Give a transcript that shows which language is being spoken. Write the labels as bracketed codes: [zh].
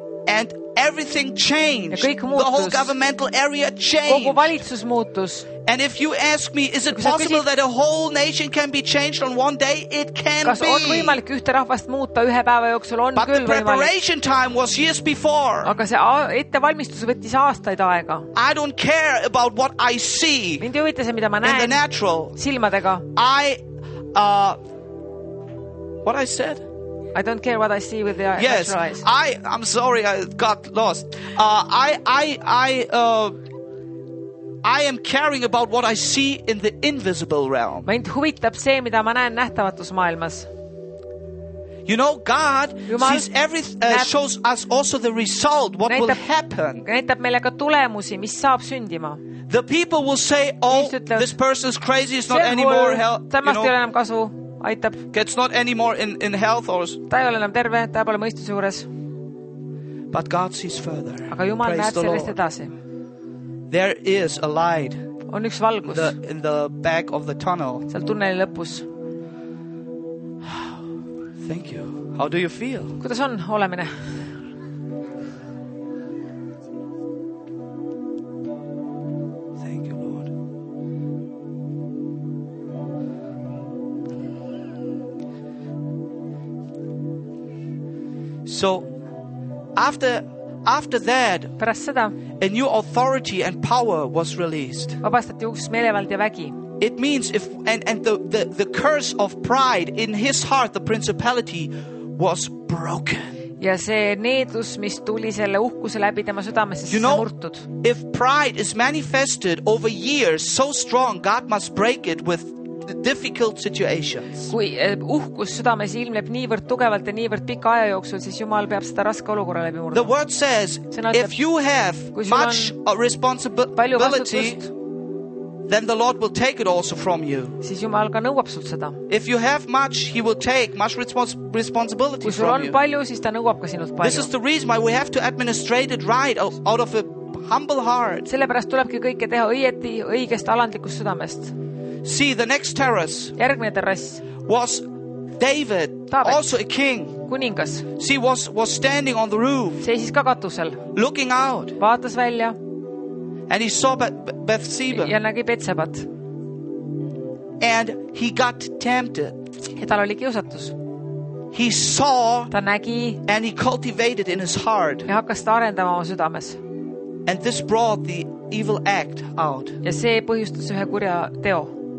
[en] And everything changed. [et] Ja kõik muutus. [en] The whole governmental area changed. [et] Kogu valitsus muutus. [en] And if you ask me, is it possible that a whole nation can be changed on one day? It can [et] kas [en] be. [et] Kas on võimalik ühte rahvast muuta ühe päeva jooksul? On [en] but [et] küll [en] the preparation [et] võimalik. [en] Time was years before. [et] Aga see ettevalmistus võttis aastaid aega. [en] I don't care about what I see. [et] Mind ei huvita see, mida ma näen. [en] In the natural. [et] Silmadega. [en] What I said? I don't care what I see with the yes, natural eyes. I'm sorry, I got lost. I am caring about what I see in the invisible realm. [et] Mind huvitab see, mida ma näen nähtavatus maailmas. [en] You know, God sees everything, shows us also the result, what will happen. [et] Näitab meile ka tulemusi, mis saab sündima. [en] The people will say, oh, this person is crazy, it's not anymore help. [et] Tämast ei ole enam kasu, aitab. [en] It's not anymore in health or... [et] Ta ei ole enam terve, ta pole mõistuse juures. [en] But God sees further. [et] Aga Jumal näeb sellest edasi. [en] There is a light [et] on üks valgus [en] in the back of the tunnel. [et] Seal tunneli lõpus. [en] Thank you. How do you feel? [et] Kuidas on olemine? [en] Thank you, Lord. So, after that, [et] pärast seda, [en] a new authority and power was released. [et] Vabastati uks meelevald ja vägi. [en] It means if and the curse of pride in his heart, the principality was broken. [et] Ja see needus, mis tuli selle uhkuse läbi tema südamesse, [en] you know, [et] murtud. [en] If pride is manifested over years so strong, God must break it with difficult situations. [et] Kui uhkus südames ilmleb niivõrd tugevalt ja niivõrd pika aja jooksul, siis Jumal peab seda raske olukorra läbi murda. [en] The word says, if you have much responsibility, then the Lord will take it also from you. [et] Siis Jumal ka nõuab sult seda. [en] If you have much, he will take much responsibility from you. [et] Kui sul on palju, siis ta nõuab ka sinult palju. [en] This is the reason why we have to administrate it right out of a humble heart. [et] Sellepärast tulebki kõike teha õieti õigest alandlikust südamest. [en] See, the next terrace was David, [et] Taavet, [en] also a king. [et] Kuningas. [en] See, was standing on the roof, [et] seisis ka katusel, [en] looking out. [et] Vaatas välja. [en] And he saw Bathsheba. [et] Ja nägi Betsebat. [en] And he got tempted. [et] Ja tal oli kiusatus. [en] He saw, [et] ta nägi, [en] and he cultivated in his heart. [et] Ja hakkas ta arendama oma südames. [en] And this brought the evil act out. [et] Ja see põhjustas ühe kurja teo.